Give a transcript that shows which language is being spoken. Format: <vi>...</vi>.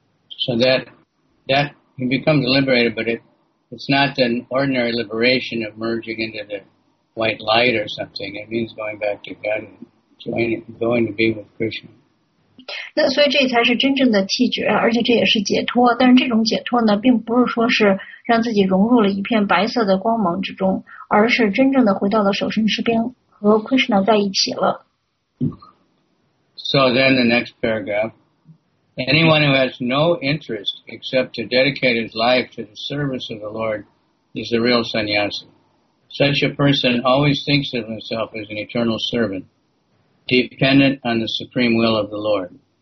<en>So that he becomes liberated, but it's not an ordinary liberation of merging into the white light or something. It means going back to God and going to be with Krishna.</en> <zh>那所以这才是真正的弃觉，而且这也是解脱。但是这种解脱呢，并不是说是让自己融入了一片白色的光芒之中，而是真正的回到了守身之兵，和 Krishna 在一起了。</zh> <en>So then the next paragraph. Anyone who has no interest except to dedicate his life to the service of the Lord is the real sannyasi. Such a person always thinks of himself as an eternal servant, dependent on the supreme will of the Lord.</en>